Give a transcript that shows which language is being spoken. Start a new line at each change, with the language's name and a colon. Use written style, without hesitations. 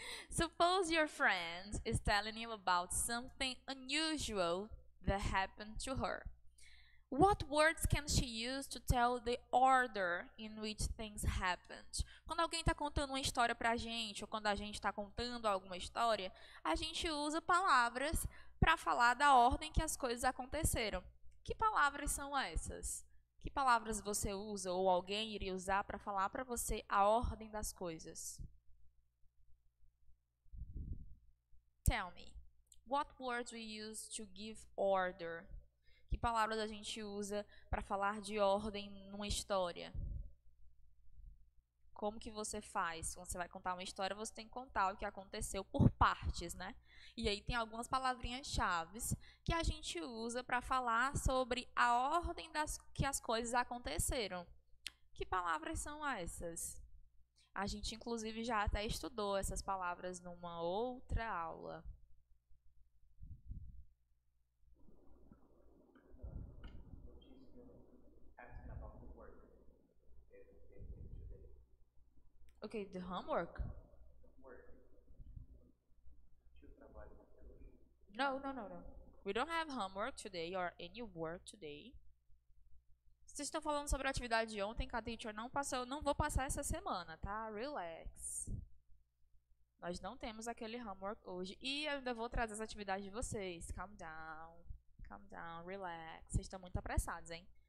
English: Suppose your friend is telling you about something unusual that happened to her. What words can she use to tell the order in which things happened?
Portuguese: Quando alguém está contando uma história para a gente, ou quando a gente está contando alguma história, a gente usa palavras para falar da ordem que as coisas aconteceram. Que palavras são essas? Que palavras você usa ou alguém iria usar para falar para você a ordem das coisas?
English: Tell me, what words we use to give order?
Portuguese: Que palavras a gente usa para falar de ordem numa história? Como que você faz? Quando você vai contar uma história, você tem que contar o que aconteceu por partes, né? E aí tem algumas palavrinhas-chaves que a gente usa para falar sobre a ordem que as coisas aconteceram. Que palavras são essas? A gente, inclusive, já até estudou essas palavras numa outra aula.
English: Okay, the homework. No, no, no, no. We don't have homework today or any work today.
Portuguese: Vocês estão falando sobre a atividade de ontem, que a teacher não passou, não vou passar essa semana, tá? Relax. Nós não temos aquele homework hoje. E eu ainda vou trazer as atividades de vocês.
English: Calm down. Calm down, relax.
Portuguese: Vocês estão muito apressados, hein?